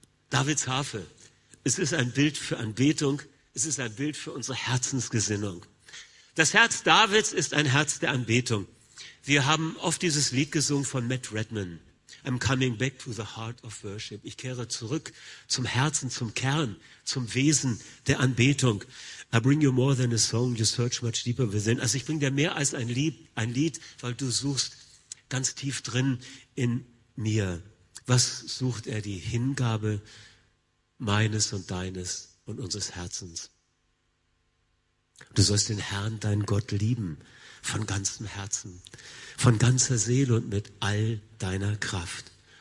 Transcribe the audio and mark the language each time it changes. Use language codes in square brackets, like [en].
[de] Davids Harfe, es ist ein Bild für Anbetung, es ist ein Bild für unsere Herzensgesinnung. Das Herz Davids ist ein Herz der Anbetung. Wir haben oft dieses Lied gesungen von Matt Redman, [en] I'm coming back to the heart of worship. [de] Ich kehre zurück zum Herzen, zum Kern, zum Wesen der Anbetung. [en] I bring you more than a song, you search much deeper within. [de] Also ich bringe dir mehr als ein Lied, weil du suchst ganz tief drin in mir. Was sucht er? Die Hingabe meines und deines und unseres Herzens. Du sollst den Herrn, deinen Gott, lieben, von ganzem Herzen, von ganzer Seele und mit all deiner Kraft.